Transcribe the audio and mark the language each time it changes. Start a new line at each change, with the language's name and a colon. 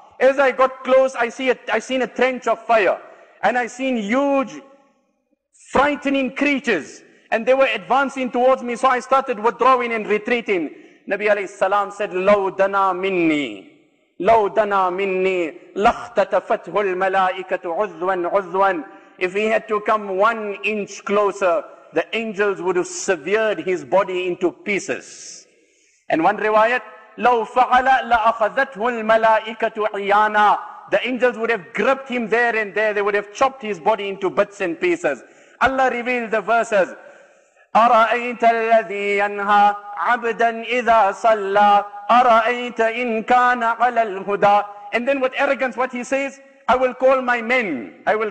English: As I got close, I seen a trench of fire, and I seen huge, frightening creatures, and they were advancing towards me. So I started withdrawing and retreating. Nabi alayhi salam said,
Arabic: "Law dana minni, lakhtatafathu al-malaikatu udwan."
English: If he had to come 1 inch closer, the angels would have severed his body into pieces. And one riwayat,
Arabic: لَوْ فَعَلَ لَأَخَذَتْهُ الْمَلَائِكَةُ عِيَانًا.
English: The angels would have gripped him there and there. They would have chopped his body into bits and pieces. Allah revealed the verses.
Arabic: أَرَأَيْتَ الَّذِي يَنْهَى عَبْدًا إِذَا صَلَّى أَرَأَيْتَ إِنْ كَانَ عَلَى الْهُدَى.
English: And then with arrogance, what he says, I will call my men.